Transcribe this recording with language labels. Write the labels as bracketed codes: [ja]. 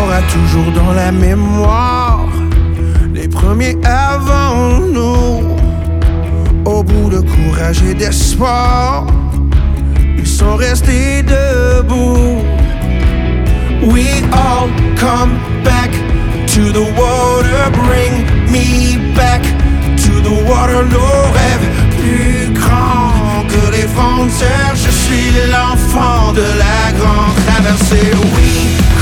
[fr] Toujours dans la mémoire, les premiers avant nous, au bout de courage et d'espoir, ils sont restés debout. [en] We all come back to the water, bring me back to the water. [fr] Nos rêves plus grands que les vents de terre, je suis l'enfant de la grande traversée. [en] We all come back.